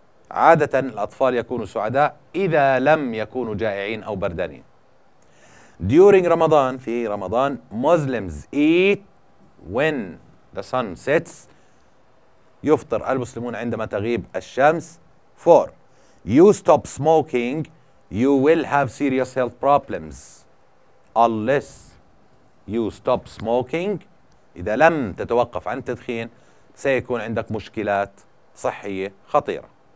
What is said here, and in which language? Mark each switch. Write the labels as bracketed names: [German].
[Arabic] عادة الأطفال يكونوا سعداء إذا لم يكونوا جائعين أو بردانين. [English] During رمضان [Arabic] في رمضان [English] Muslims eat when the sun sets. [Arabic] يفطر المسلمون عندما تغيب الشمس. [English] Four. You stop smoking, you will have serious health problems. Unless you stop smoking, [Arabic] إذا لم تتوقف عن التدخين سيكون عندك مشكلات صحية خطيرة.